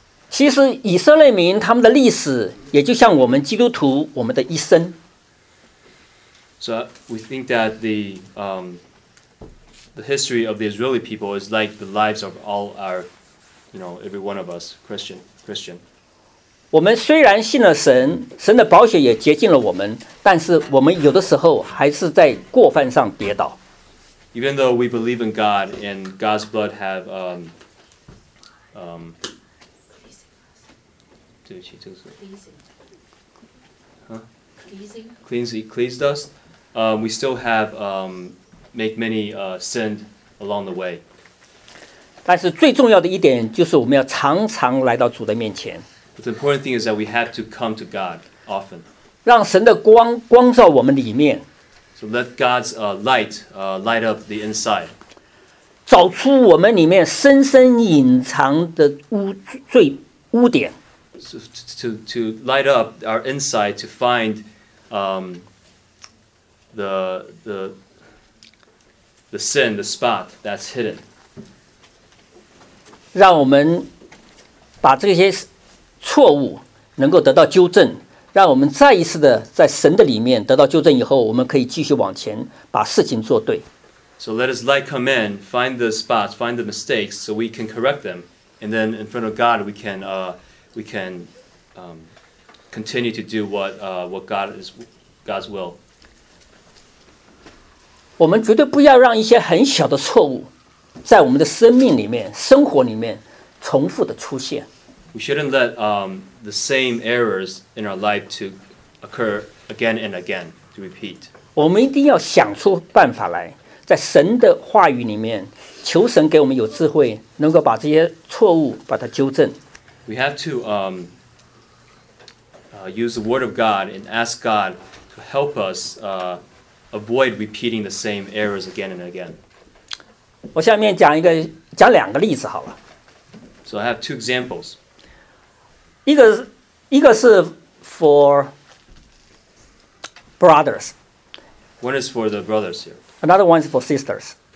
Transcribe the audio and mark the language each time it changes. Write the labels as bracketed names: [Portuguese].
[Chinese] 其实以色列民他们的历史也就像我们基督徒我们的一生。 [English] So we think that the history of the Israeli people is like the lives of all our, you know, every one of us, Christian. [Chinese] 我们虽然信了神，神的宝血也洁净了我们，但是我们有的时候还是在过犯上跌倒。 [English] Even though we believe in God and God's blood have, [Chinese] 对不起，这个是。 [English] Cleansed us. We still have make many sin along the way. [Chinese] 但是最重要的一点就是我们要常常来到主的面前。 [English] But the important thing is that we have to come to God often. [Chinese] 让神的光光照我们里面。 [English] So let God's light up the inside. [Chinese] 找出我们里面深深隐藏的污点。 [English] So to light up our inside to find the sin, the spot that's hidden. [Chinese] 让我们把这些错误能够得到纠正，让我们再一次的在神的里面得到纠正以后，我们可以继续往前把事情做对。 [English] So let His light come in, find the spots, find the mistakes, so we can correct them, and then in front of God, we can continue to do what God's will. [Chinese] 我们绝对不要让一些很小的错误在我们的生命里面、生活里面重复的出现。 [English] We shouldn't let the same errors in our life to occur again and again, to repeat. [Chinese] 我们一定要想出办法来，在神的话语里面，求神给我们有智慧，能够把这些错误把它纠正。 [English] We have to use the word of God and ask God to help us avoid repeating the same errors again and again. [Chinese] 我下面讲两个例子好了。 [English] So I have two examples. [Chinese] 一个是 [English] for brothers. One is for the brothers here. Another one is for sisters.